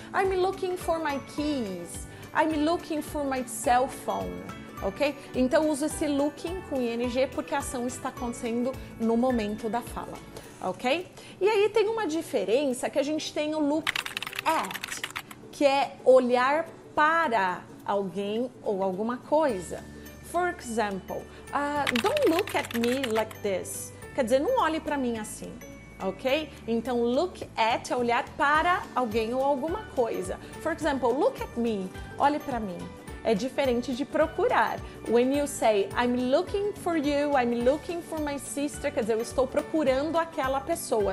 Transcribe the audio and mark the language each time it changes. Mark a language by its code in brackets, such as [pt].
[en] I'm looking for my keys. I'm looking for my cell phone. Ok? [pt] Então, uso esse looking com ing porque a ação está acontecendo no momento da fala. Ok? E aí tem uma diferença que a gente tem o look at, que é olhar para alguém ou alguma coisa. [en] For example, don't look at me like this. [pt] Quer dizer, não olhe para mim assim, ok? Então, look at é olhar para alguém ou alguma coisa. [en] For example, look at me, [pt] olhe para mim. É diferente de procurar. [en] When you say, I'm looking for you, I'm looking for my sister, [pt] quer dizer, eu estou procurando aquela pessoa.